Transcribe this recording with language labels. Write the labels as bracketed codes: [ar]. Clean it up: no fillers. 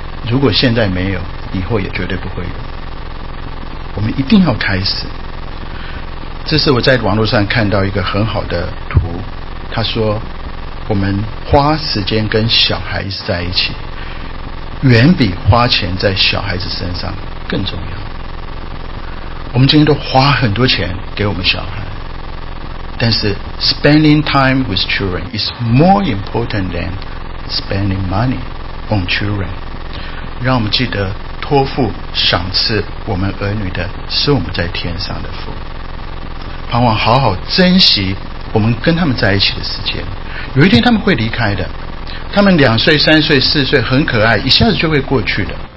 [zh] 如果现在没有，以后也绝对不会有。我们一定要开始。这是我在网络上看到一个很好的图，他说我们花时间跟小孩子在一起，远比花钱在小孩子身上更重要。我们今天都花很多钱给我们小孩，但是 [en] spending time with children is more important than spending money on children。 [zh] 让我们记得托付赏赐我们儿女的是我们在天上的父，盼望好好珍惜我们跟他们在一起的时间。有一天他们会离开的，他们两岁三岁四岁很可爱，一下子就会过去的。